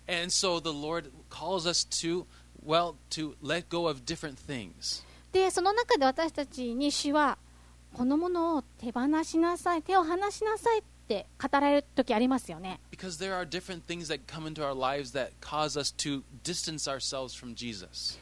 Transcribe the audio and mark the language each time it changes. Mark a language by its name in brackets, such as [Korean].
[English] And so the Lord calls us to, well, to let go of different things. [Japanese] で、その中で私たちに主はこのものを手放しなさい、手を離しなさいって語られる時ありますよね。 [English] Because there are different things that come into our lives that cause us to distance ourselves from Jesus.